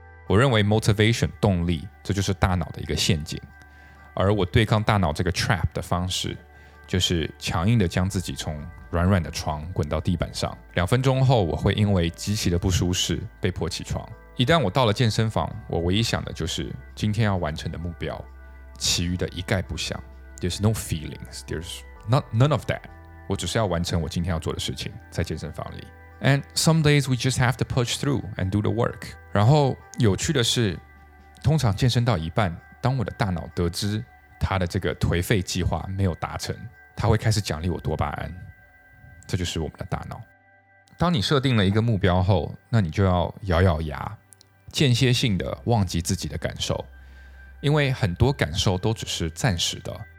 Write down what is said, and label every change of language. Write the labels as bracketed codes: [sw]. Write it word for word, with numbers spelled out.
[zh] 我认为 motivation 动力，这就是大脑的一个陷阱，而我对抗大脑这个 trap 的方式，就是强硬的将自己从软软的床滚到地板上。两分钟后，我会因为极其的不舒适被迫起床。一旦我到了健身房，我唯一想的就是今天要完成的目标，其余的一概不想。 [en] There's no feelings, there's not none of that。 [zh] 我只是要完成我今天要做的事情，在健身房里。 [en] And some days we just have to push through and do the work。 [zh] 然后有趣的是，通常健身到一半，当我的大脑得知他的这个颓废计划没有达成，他会开始奖励我多巴胺。这就是我们的大脑。当你设定了一个目标后，那你就要咬咬牙，间歇性的忘记自己的感受，因为很多感受都只是暂时的。